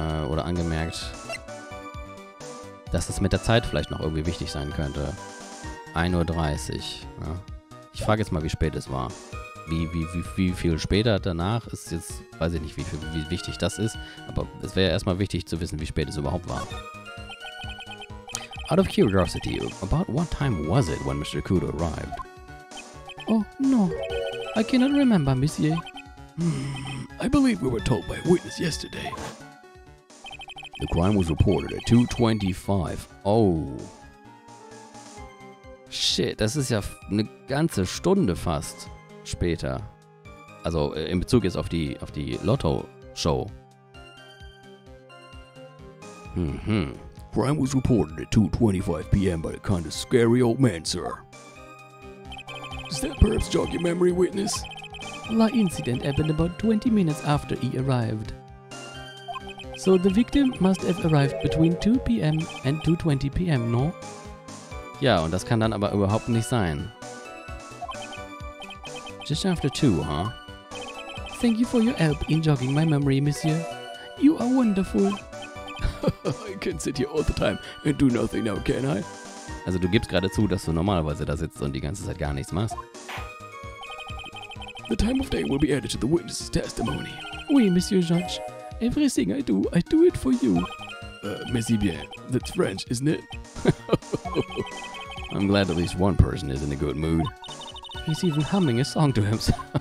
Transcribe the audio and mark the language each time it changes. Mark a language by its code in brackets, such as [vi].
[de] oder angemerkt, dass das mit der Zeit vielleicht noch irgendwie wichtig sein könnte. 1.30 Uhr. Ja. Ich frage jetzt mal, wie spät es war. Wie viel später danach ist jetzt... Weiß ich nicht, wie wichtig das ist. Aber es wäre erstmal wichtig zu wissen, wie spät es überhaupt war. [en] Out of curiosity, about what time was it when Mr. Kudo arrived? Oh, no. I cannot remember, monsieur. I believe we were told by a witness yesterday. The crime was reported at 2:25. Oh. [de] Shit, das ist ja eine ganze Stunde fast später. Also in Bezug jetzt auf die Lotto-Show. [en] Crime was reported at 2:25 p.m. by a kind of scary old man, sir. Does that perhaps jog your memory, witness? The incident happened about 20 minutes after he arrived. So the victim must have arrived between 2 p.m. and 2:20 p.m., no? [de] Ja, und das kann dann aber überhaupt nicht sein. [en] Just after 2, huh? Thank you for your help in jogging my memory, monsieur. You are wonderful. I can sit here all the time and do nothing now, can I? [de] Also du gibst gerade zu, dass du normalerweise da sitzt und die ganze Zeit gar nichts machst. [en] The time of day will be added to the witness's testimony. Oui, monsieur Judge. Everything I do it for you. [fr] Merci bien. [en] That's French, isn't it? I'm glad at least one person is in a good mood. He's even humming a song to himself.